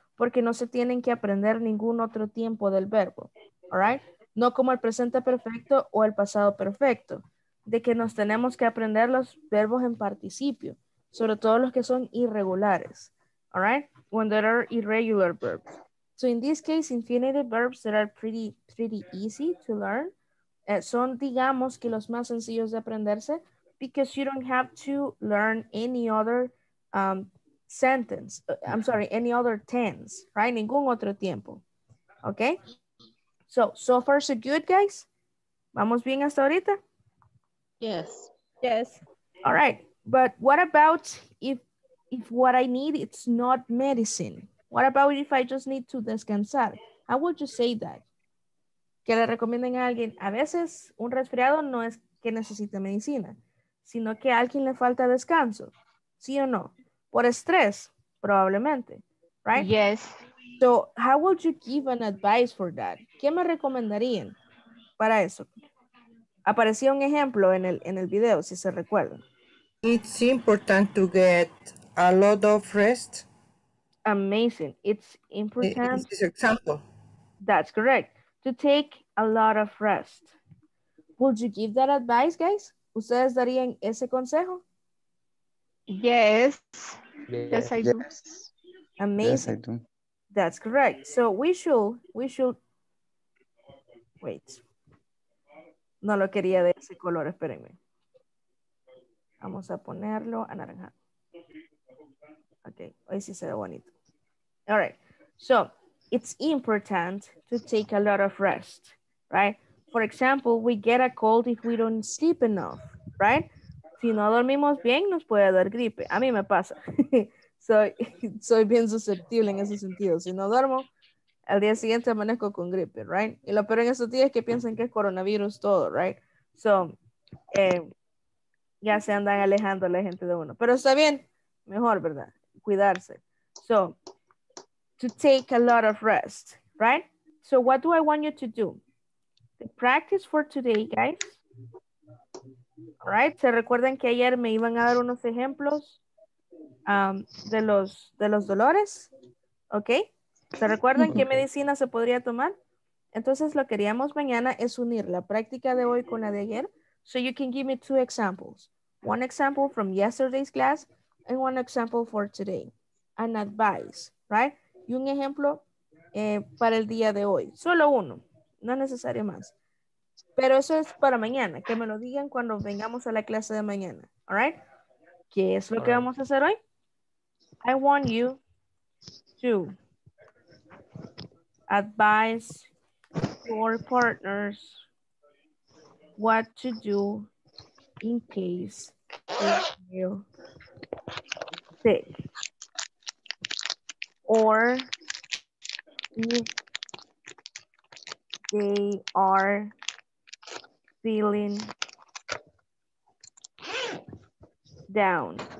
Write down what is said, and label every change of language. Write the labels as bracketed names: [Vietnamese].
[Spanish] porque no se tienen que aprender ningún otro tiempo del verbo. All right? No como el presente perfecto o el pasado perfecto, de que nos tenemos que aprender los verbos en participio, sobre todo los que son irregulares. [English] All right? When there are irregular verbs. So in this case, infinitive verbs that are pretty easy to learn, [Spanish] son, digamos, que los más sencillos de aprenderse, [English] because you don't have to learn any other sentence. I'm sorry, any other tense, right? [Spanish] Ningún otro tiempo. [English] Okay? So far so good, guys? [Spanish] ¿Vamos bien hasta ahorita? [English] Yes. Yes. All right. But what about if what I need, it's not medicine? What about if I just need to descansar? How would you say that? [Spanish] Que le recomienden a alguien, a veces un resfriado no es que necesite medicina, sino que a alguien le falta descanso. ¿Sí o no? Por estrés, probablemente. Right? [English] Yes. So, how would you give an advice for that? [Spanish] ¿Qué me recomendarían para eso? Aparecía un ejemplo en el video, si se recuerdan. [English] It's important to get a lot of rest. Amazing. It's important. This example. That's correct. To take a lot of rest. Would you give that advice, guys? [Spanish] ¿Ustedes darían ese consejo? [English] Yes. Yes, I do. Yes. Amazing. Yes, I do. That's correct. So we should. Wait. [Spanish] No lo quería de ese color, espérenme. Vamos a ponerlo anaranjado. Okay, hoy sí se ve bonito. All right. [English] So it's important to take a lot of rest, right? For example, we get a cold if we don't sleep enough, right? [Spanish] Si no dormimos bien, nos puede dar gripe. A mí me pasa. Soy bien susceptible en ese sentido. Si no duermo, al día siguiente amanezco con gripe, right? Y lo peor en esos días es que piensan que es coronavirus todo, right? So, ya se andan alejando la gente de uno. Pero está bien, mejor, ¿verdad? Cuidarse. So, [English] to take a lot of rest, [Spanish] right? [English] So, what do I want you to do? The practice for today, guys. All right? [Spanish] ¿Se recuerdan que ayer me iban a dar unos ejemplos? De los dolores, ¿ok? ¿Se recuerdan qué medicina se podría tomar? Entonces lo que queríamos mañana es unir la práctica de hoy con la de ayer. [English] So you can give me two examples. One example from yesterday's class and one example for today. An advice, right? [Spanish] Y un ejemplo para el día de hoy. Solo uno, no es necesario más. Pero eso es para mañana, que me lo digan cuando vengamos a la clase de mañana, all right? ¿Qué es lo que vamos a hacer hoy? [English] I want you to advise your partners what to do in case they feel sick or if they are feeling down.